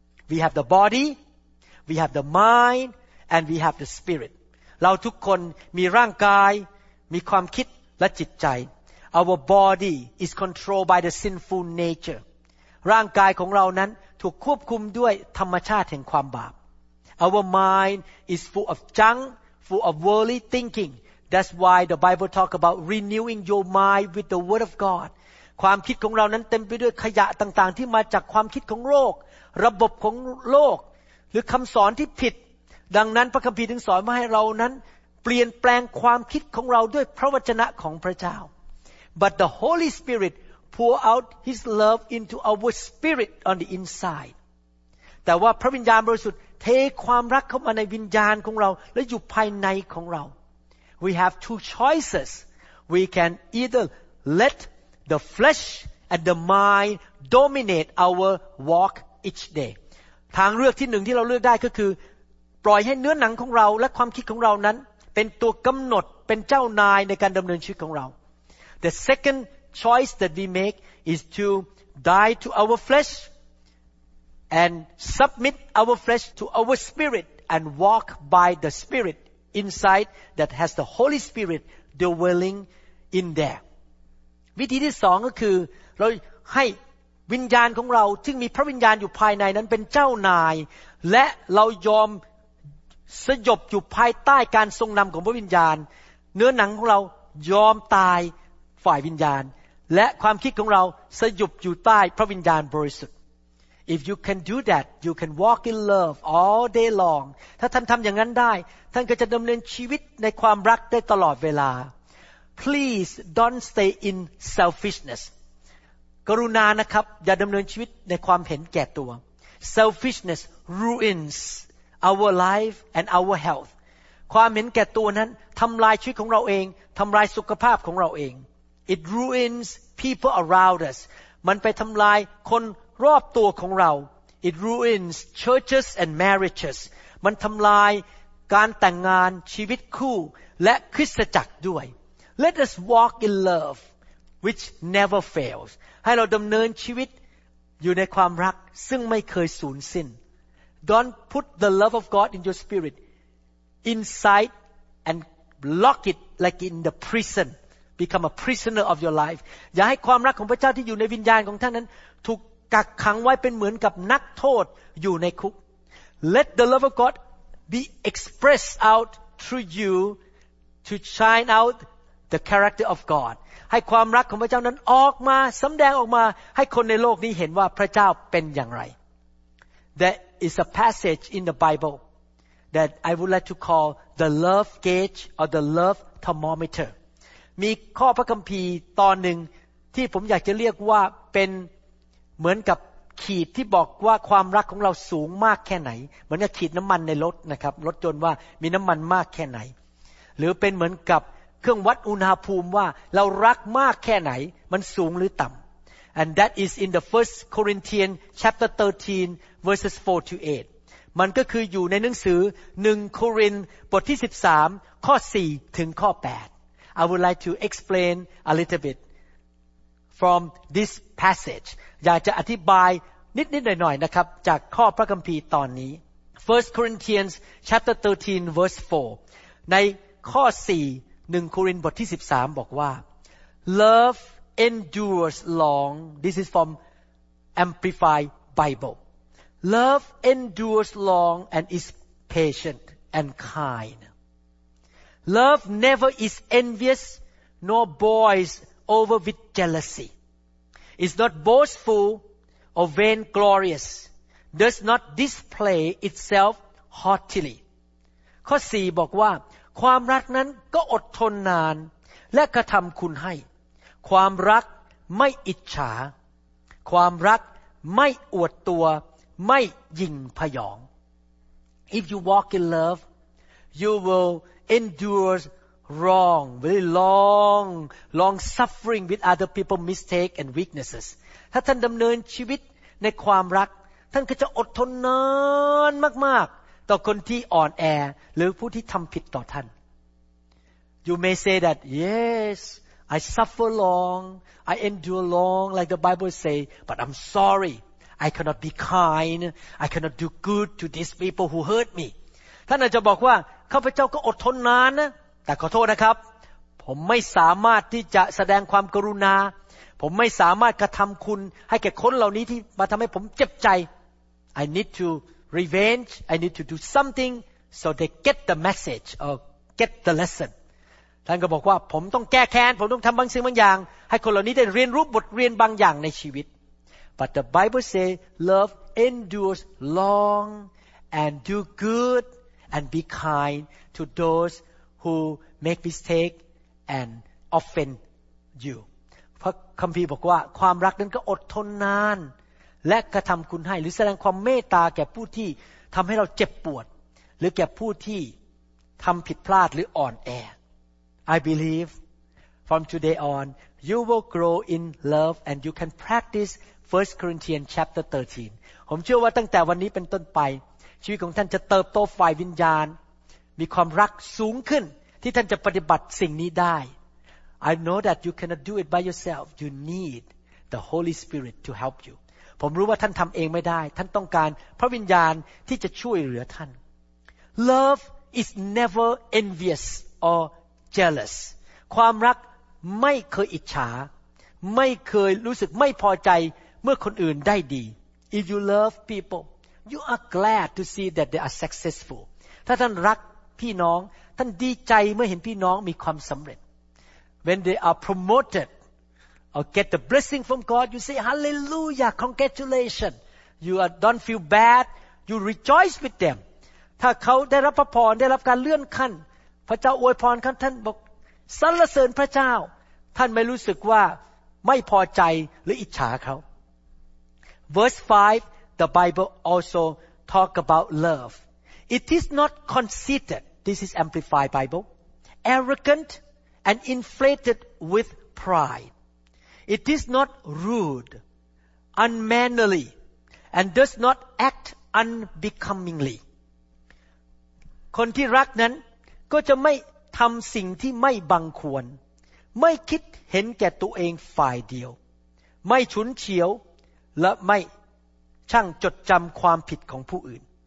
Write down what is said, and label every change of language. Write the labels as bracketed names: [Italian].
[English] We have the body we have the mind and we have the spirit [Thai] เราทุกคนมีร่างกายมีความคิดและจิตใจ [English] Our body is controlled by the sinful nature [Thai] ร่างกายของเรานั้นถูกควบคุมด้วยธรรมชาติแห่งความบาป [English] Our mind is full of junk, full of worldly thinking. That's why the Bible talks about renewing your mind with the Word of God. [Thai] ความคิดของเรานั้นเต็มไปด้วยขยะต่างๆที่มาจากความคิดของโลกระบบของโลกหรือคำสอนที่ผิดดังนั้นพระคัมภีร์ถึงสอนว่าให้เรานั้นเปลี่ยนแปลงความคิดของเราด้วยพระวจนะของพระเจ้า [English] But the Holy Spirit pour out His love into our spirit on the inside. [Thai] แต่ว่าพระวิญญาณบริสุทธิ์เทความรักเข้ามาในวิญญาณของเราและอยู่ภายในของเรา [English] We have two choices. We can either let the flesh and the mind dominate our walk each day. [Thai] ทางเลือกที่หนึ่งที่เราเลือกได้ก็คือปล่อยให้เนื้อหนังของเราและความคิดของเรานั้นเป็นตัวกำหนดเป็นเจ้านายในการดำเนินชีวิตของเรา [English] The second choice that we make is to die to our flesh and submit our flesh to our spirit and walk by the spirit inside that has the Holy Spirit dwelling in there. [Thai] วิธีที่สองก็คือเราให้วิญญาณของเราซึ่งมีพระวิญญาณอยู่ภายในนั้นเป็นเจ้านายและเรายอมสยบอยู่ภายใต้การทรงนำของพระวิญญาณเนื้อหนังของเรายอมตายฝ่ายวิญญาณและความคิดของเราสยบอยู่ใต้พระวิญญาณบริสุทธิ์ [English] If you can do that you can walk in love all day long [Thai] ถ้าท่านทำอย่างนั้นได้ท่านก็จะดำเนินชีวิตในความรักได้ตลอดเวลา [English] Please don't stay in selfishness [Thai] กรุณานะครับอย่าดำเนินชีวิตในความเห็นแก่ตัว [English] Selfishness ruinsOur life and our health. [Thai] ความเห็นแก่ตัวนั้นทำลายชีวิตของเราเองทำลายสุขภาพของเราเอง [English] It ruins people around us. [Thai] มันไปทำลายคนรอบตัวของเรา [English] It ruins churches and marriages. [Thai] มันทำลายการแต่งงานชีวิตคู่และคริสตจักรด้วย [English] Let us walk in love, which never fails. [Thai] ให้เราดำเนินชีวิตอยู่ในความรักซึ่งไม่เคยสูญสิ้น [English] Don't put the love of God in your spirit inside and lock it like in the prison. Become a prisoner of your life. [Thai] อย่าให้ความรักของพระเจ้าที่อยู่ในวิญญาณของท่านนั้นถูกกักขังไว้เป็นเหมือนกับนักโทษอยู่ในคุก [English] Let the love of God be expressed out through you to shine out the character of God. [Thai] ให้ความรักของพระเจ้านั้นออกมาสำแดงออกมาให้คนในโลกนี้เห็นว่าพระเจ้าเป็นอย่างไร [English] There is a passage in the Bible that I would like to call the love gauge or the love thermometer. [Thai] มีข้อพระคัมภีร์ตอนหนึ่งที่ผมอยากจะเรียกว่าเป็นเหมือนกับขีดที่บอกว่าความรักของเราสูงมากแค่ไหนเหมือนกับขีดน้ำมันในรถนะครับรถยนต์ว่ามีน้ำมันมากแค่ไหนหรือเป็นเหมือนกับเครื่องวัดอุณหภูมิว่าเรารักมากแค่ไหนมันสูงหรือต่ำ [English] And that is in the 1 Corinthians chapter 13. Verses 4 to 8. [Thai] มันก็คืออยู่ในหนังสือ1โครินธ์บทที่13ข้อ4ถึงข้อ8. [English] I would like to explain a little bit from this passage. [Thai] อยากจะอธิบายนิดๆหน่อยๆนะครับจากข้อพระคัมภีร์ตอนนี้ [English] 1 Corinthians chapter 13 verse 4. [Thai] ในข้อ4 1โครินธ์บทที่13บอกว่า [English] Love endures long. This is from Amplified Bible. Love endures long and is patient and kind. Love never is envious nor boils over with jealousy. Is not boastful or vainglorious. Does not display itself haughtily. [Thai] ข้อ 4 บอกว่าความรักนั้นก็อดทนนานและกระทำคุณให้ความรักไม่อิจฉาความรักไม่อวดตัวไม่หยิ่งพยอง [English] If you walk in love, you will endure wrong, very long, long suffering with other people's mistakes and weaknesses. [Thai] ถ้าท่านดำเนินชีวิตในความรักท่านก็จะอดทนนานมากๆต่อคนที่อ่อนแอหรือผู้ที่ทำผิดต่อท่าน [English] You may say that, yes, I suffer long, I endure long, like the Bible says, but I'm sorry. I cannot be kind. I cannot do good to these people who hurt me. [Thai] ท่านอาจจะบอกว่าข้าพเจ้าก็อดทนนานนะแต่ขอโทษนะครับผมไม่สามารถที่จะแสดงความกรุณาผมไม่สามารถกระทำคุณให้แก่คนเหล่านี้ที่มาทำให้ผมเจ็บใจ [English] I need to revenge. I need to do something so they get the message or get the lesson. [Thai] ท่านก็บอกว่าผมต้องแก้แค้นผมต้องทำบางสิ่งบางอย่างให้คนเหล่านี้ได้เรียนรู้บทเรียนบางอย่างในชีวิต [English] But the Bible says love endures long and do good and be kind to those who make mistake and offend you. [Thai] พระคัมภีร์บอกว่าความรักนั้นก็อดทนนานและกระทำคุณให้หรือแสดงความเมตตาแก่ผู้ที่ทำให้เราเจ็บปวดหรือแก่ผู้ที่ทำผิดพลาดหรืออ่อนแอ [English] I believe if from today on, you will grow in love and you can practice 1 Corinthians chapter 13. [Thai] ผมเชื่อว่าตั้งแต่วันนี้เป็นต้นไปชีวิตของท่านจะเติบโตฝ่ายวิญญาณมีความรักสูงขึ้นที่ท่านจะปฏิบัติสิ่งนี้ได้ [English] I know that you cannot do it by yourself. You need the Holy Spirit to help you. [Thai] ผมรู้ว่าท่านทำเองไม่ได้ท่านต้องการพระวิญญาณที่จะช่วยเหลือท่าน [English] Love is never envious or jealous. [Thai] ความรักไม่เคยอิจฉาไม่เคยรู้สึกไม่พอใจเมื่อคนอื่นได้ดี [English] If you love people, you are glad to see that they are successful. [Thai] ถ้าท่านรักพี่น้องท่านดีใจเมื่อเห็นพี่น้องมีความสำเร็จ [English] When they are promoted or get the blessing from God, you say hallelujah, congratulations. You don't feel bad. You rejoice with them. [Thai] ถ้าเขาได้รับพระพรได้รับการเลื่อนขั้นพระเจ้าอวยพรท่านบอกสรรเสริญพระเจ้าท่านไม่รู้สึกว่าไม่พอใจหรืออิจฉาเขา [English] Verse 5 the Bible also talk about love. It is not conceited. This is Amplified Bible. Arrogant and inflated with pride. It is not rude, unmannerly, and does not act unbecomingly. [Thai] คนที่รักนั้นก็จะไม่ทำสิ่งที่ไม่บังควรไม่คิดเห็นแก่ตัวเองฝ่ายเดียวไม่ฉุนเฉียวและไม่ช่างจดจำความผิดของผู้อื่น